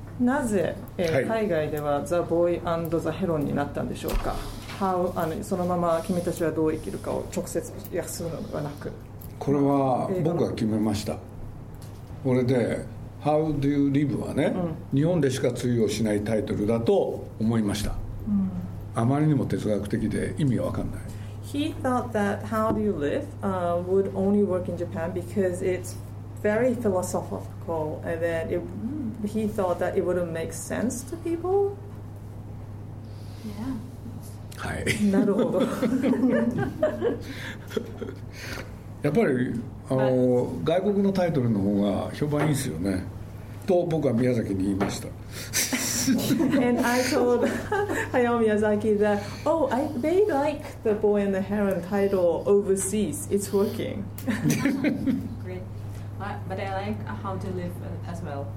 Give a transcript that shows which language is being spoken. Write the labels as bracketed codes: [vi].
[ja] なぜ、海外ではザ・ボーイ&ザ・ヘロンになったんでしょうか、はい、そのまま君たちはどう生きるかを直接訳するのではなくこれは僕が決めましたこれで How do you live はね、日本でしか通用しないタイトルだと思いました、あまりにも哲学的で意味が分かんない [en] He thought that How do you live would only work in Japan because it's very philosophical and then he thought that it wouldn't make sense to people [ja] はい、なるほどやっぱりあの外国のタイトルの方が評判いいですよねと僕は宮崎に言いました [en] And I told Hayao Miyazaki that, oh, I they like the Boy and the Heron title overseas. It's working. Great. But I like How to Live as well.